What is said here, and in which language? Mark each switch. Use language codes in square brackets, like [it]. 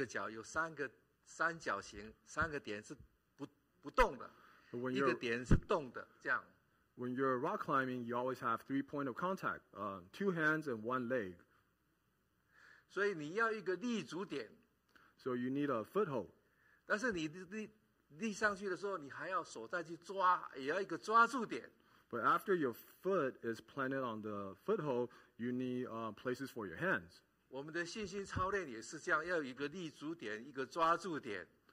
[zh] 爬墙的时候，我上去查了，他是说你一定要先立住，有三个点，两个脚立的，然后手又扶的，然后才移动一个脚，所以你总是有两个手跟一个脚有三个三角形，三个点是。不动的，一个点是动的, [en] when you're rock climbing, you always have three points of contact, two hands and one leg. [zh] 所以你要一个立足点。 [en] So you need a foothold. [zh] 但是你立上去的时候，你还要手再去抓，也要一个抓住点。 [en] But after your foot is planted on the foothold, you need places for your hands. [zh] 我们的信心操练也是这样，要有一个立足点，一个抓住点。